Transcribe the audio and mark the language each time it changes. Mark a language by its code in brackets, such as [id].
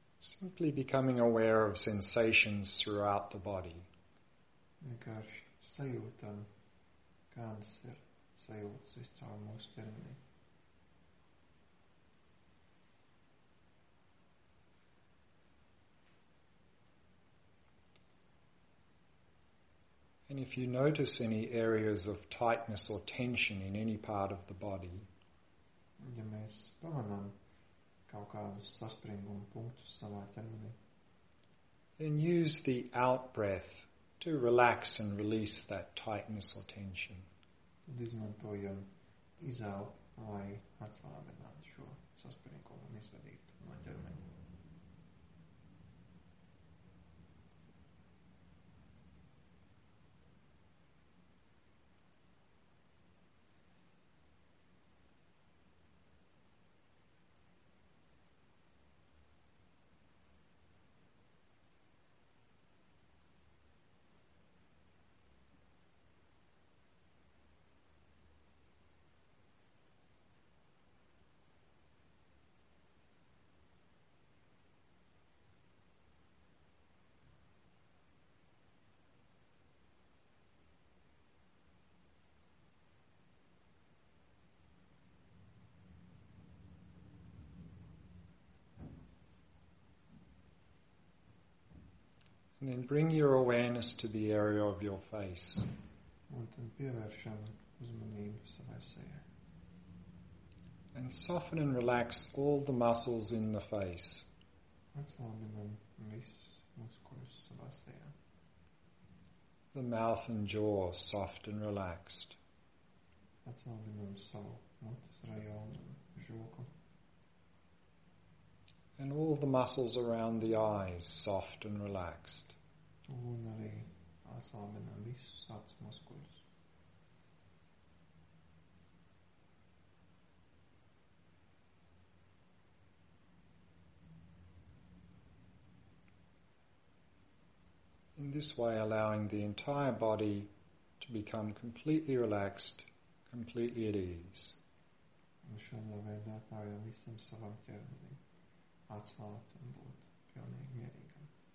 [en] Simply becoming aware of sensations throughout the body. [lv] Vienkārši sajūtam, kādas ir sajūtas viscaur mūsu ķermenī. [en] And if you notice any areas of tightness or tension in any part of the body, [lv] ja mēs pamanām kaut kādus saspringumu punktus savā ķermenī, [en] then use the out-breath to relax and release that tightness or tension. [lv] Tad izmantojam izelpu, lai atslābinātu šo saspringumu un izvedītu no ķermeņa. [en] And then bring your awareness to the area of your face. [lv] Un tad pievēršam uzmanību savai sejai. [en] And soften and relax all the muscles in the face. [lv] Atslābinam visus muskuļus savā sejā. [en] The mouth and jaw soft and relaxed. [lv] Atslābinam savu mutes rajonu un žokli. [en] And all the muscles around the eyes soft and relaxed. [lv] Un arī atslābinam visus acu muskuļus. [en] In this way, allowing the entire body to become completely relaxed, completely at ease. [lv] Un šādā veidā pārējām visam savam ķermenim atslābt un būt pilnīgi mierīgam.